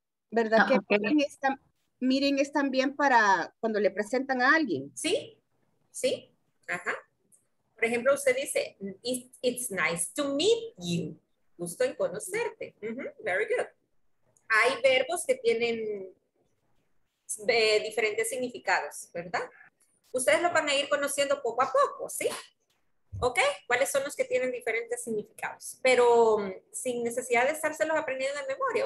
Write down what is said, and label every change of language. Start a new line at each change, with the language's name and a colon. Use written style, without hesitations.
Spanish: ¿Verdad que miren es también para cuando le presentan a alguien? Sí, sí. Ajá. Por ejemplo, usted dice,
English: it's nice to meet you.
Spanish: Gusto en conocerte. Uh-huh.
English: Very good.
Spanish: Hay verbos que tienen diferentes significados, ¿verdad? Ustedes lo van a ir conociendo poco a poco, ¿sí? ¿Ok? ¿Cuáles son los que tienen diferentes significados? Pero sin necesidad de estárselos aprendiendo de memoria.